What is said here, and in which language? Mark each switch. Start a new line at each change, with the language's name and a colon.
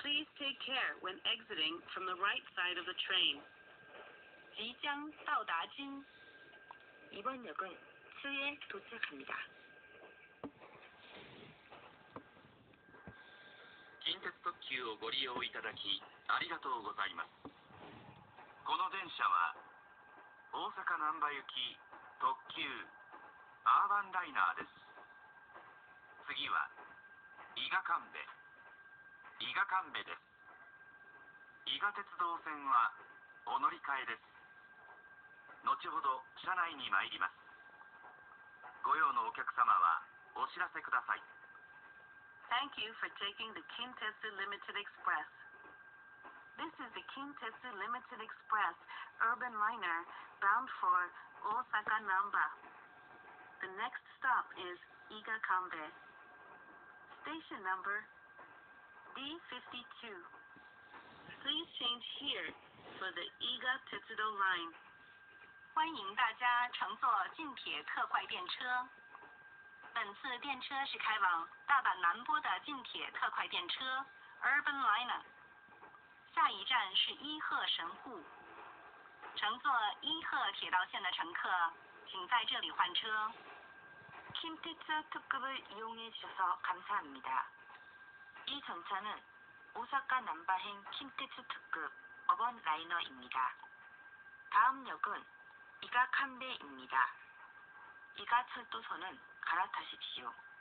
English: Please take care when exiting from the right side of the train.
Chinese: 即将到达津。
Korean: 이번역은津에도착합니다。
Japanese: 近鉄特急をご利用いただきありがとうございます。この電車は大阪難波行き特急アーバンライナーです。次は伊賀神戸です。伊賀鉄道線はお乗り換えです。後ほど車内に参ります。ご用のお客様はお知らせください。
English: Thank you for taking the Kintetsu Limited Express. This is the Kintetsu Limited Express Urban Liner bound for Osaka Namba. The next stop is Iga-Kambe. Station number D52. please change here for the Iga Tetsudo line.
Chinese: 欢迎大家乘坐近铁特快电车。本次电车是开往大阪南波的近铁特快电车 Urban Liner。下一站是伊贺神户。乘坐伊贺铁道线的乘客，请在这里换车。
Korean: 近铁特特급을이용해주셔서감사합니다。 이전차는오사카남바행킨테츠특급어번라이너입니다다음역은이가칸베입니다이가철도선은갈아타십시오